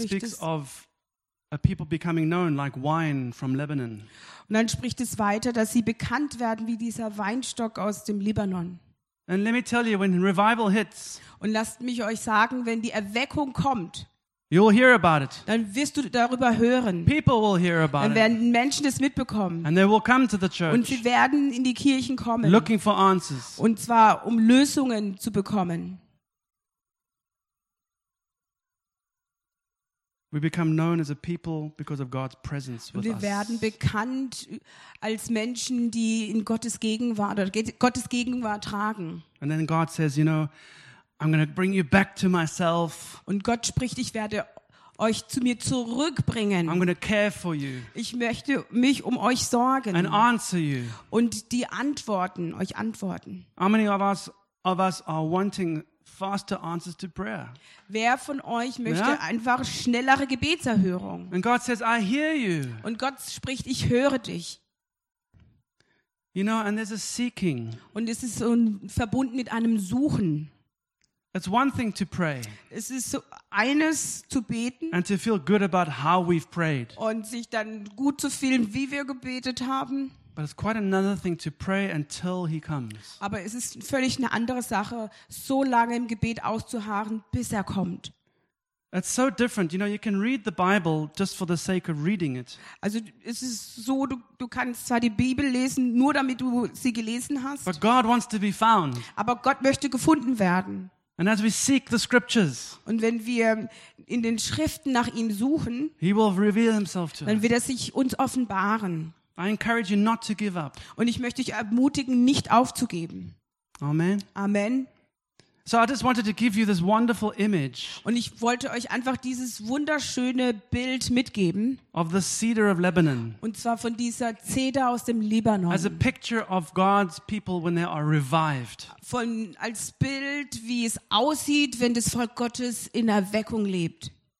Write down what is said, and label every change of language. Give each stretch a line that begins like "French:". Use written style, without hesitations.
English: speaks of a people becoming known like wine from Lebanon.
German: Und dann spricht es weiter, dass sie bekannt werden wie dieser Weinstock aus dem Libanon.
English: And let me tell you, when revival hits.
German: Und lasst mich euch sagen, wenn die Erweckung kommt.
English: You'll hear about it.
German: Dann wirst du darüber hören.
English: People will hear about it.
German: Dann werden Menschen es mitbekommen.
English: And they will come to the church.
German: Und sie werden in die Kirchen kommen.
English: Looking for answers.
German: Und zwar um Lösungen zu bekommen.
English: We become known as a people because of God's presence with us.
German: Wir werden bekannt als Menschen, die in Gottes Gegenwart oder Gottes Gegenwart tragen.
English: And then God says, you know, I'm going to bring you back to myself.
German: Und Gott spricht, ich werde euch zu mir zurückbringen.
English: I'm going to care for you.
German: Ich möchte mich um euch sorgen.
English: And answer you.
German: Und die Antworten, euch antworten.
English: How many of us are wanting faster answers to prayer.
German: Wer von euch möchte einfach schnellere Gebetserhörung?
English: And God says, I hear you.
German: Und Gott spricht, ich höre dich.
English: You know, and there's a seeking.
German: Und es ist so verbunden mit einem Suchen.
English: It's one thing to pray.
German: Es ist so eines zu beten.
English: And to feel good about how we've prayed.
German: Und sich dann gut zu fühlen, wie wir gebetet haben.
English: But it's quite another thing to pray until he comes.
German: Aber es ist völlig eine andere Sache, so lange im Gebet auszuharren, bis er kommt.
English: It's so different. You know, you can read the Bible just for the sake of reading it.
German: Also, es ist so, du kannst zwar die Bibel lesen, nur damit du sie gelesen hast.
English: But God wants to be found.
German: Aber Gott möchte gefunden werden.
English: And as we seek the scriptures,
German: und wenn wir in den Schriften nach ihm suchen,
English: he will reveal himself to us.
German: Dann wird er sich uns offenbaren.
English: I encourage you not to give up.
German: Und ich möchte dich ermutigen, nicht aufzugeben.
English: Amen.
German: Amen.
English: So I just wanted to give you this wonderful image.
German: Und ich wollte euch einfach dieses wunderschöne Bild mitgeben.
English: Of the cedar of Lebanon.
German: Und zwar von dieser Zeder aus dem Libanon.
English: As a picture of God's people when they are revived.
German: Von als Bild, wie es aussieht, wenn das Volk Gottes in Erweckung lebt.